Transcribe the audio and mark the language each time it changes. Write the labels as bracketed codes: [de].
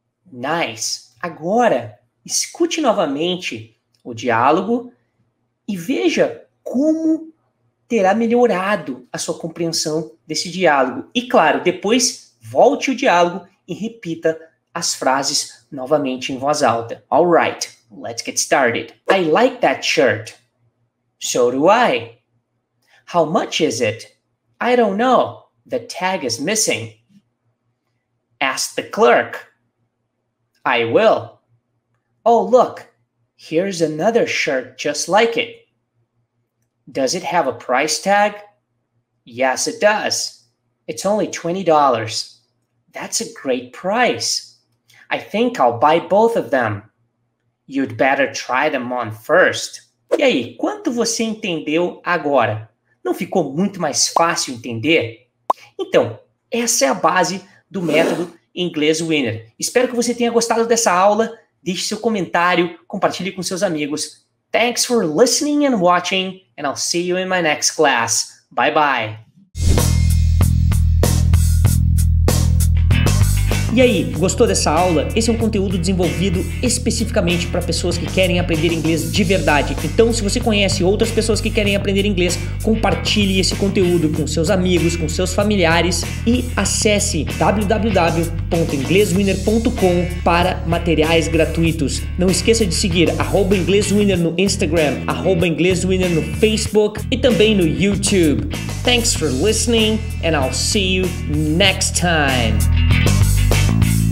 [en] Nice. [pt] Agora, escute novamente o diálogo e veja como terá melhorado a sua compreensão desse diálogo. E claro, depois volte o diálogo e repita as frases novamente em voz alta. [en] All right, let's get started. I like that shirt. So do I. How much is it? I don't know. The tag is missing. Ask the clerk. I will. Oh, look. Here's another shirt just like it. Does it have a price tag? Yes, it does. It's only $20. That's a great price. I think I'll buy both of them. You'd better try them on first. [pt] E aí, quanto você entendeu agora? Não ficou muito mais fácil entender? Então, essa é a base do método Inglês Winner. Espero que você tenha gostado dessa aula. Deixe seu comentário, compartilhe com seus amigos. [en] Thanks for listening and watching, and I'll see you in my next class. Bye-bye. [pt] E aí, gostou dessa aula? Esse é um conteúdo desenvolvido especificamente para pessoas que querem aprender inglês de verdade. Então, se você conhece outras pessoas que querem aprender inglês, compartilhe esse conteúdo com seus amigos, com seus familiares e acesse www.ingleswinner.com para materiais gratuitos. Não esqueça de seguir @ingleswinner no Instagram, @ingleswinner no Facebook e também no YouTube. [en] Thanks for listening and I'll see you next time. We'll be right back.